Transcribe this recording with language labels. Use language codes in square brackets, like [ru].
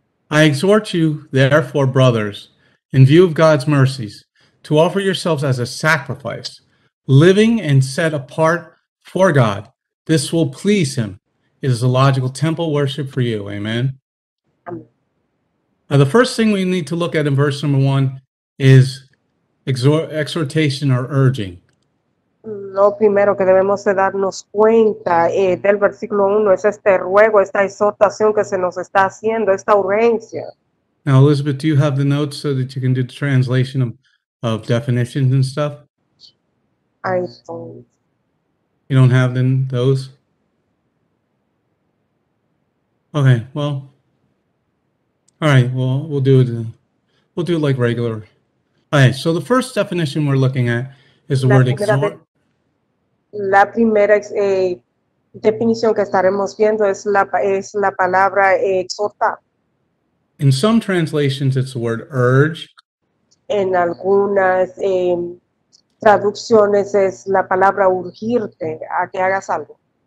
[en] I exhort you, therefore, brothers, in view of God's mercies, to offer yourselves as a sacrifice, living and set apart for God. This will please him. It is a logical temple worship for you. Amen. Now, the first thing we need to look at in verse number 1 is exhortation or urging. [es] Lo primero que debemos de darnos cuenta del versículo 1 es este ruego, esta exhortación que se nos está haciendo, esta urgencia. [en] Now, Elizabeth, do you have the notes so that you can do the translation of definitions and stuff? I don't. You don't have those? Okay, well, all right, well, we'll do it like regular. All right, so the first definition we're looking at is the word exhort. [es] La primera definición que estaremos viendo es la palabra exhortar. [en] In some translations, it's the word urge. [es] En algunas traducciones es la palabra urgirte, a que hagas algo.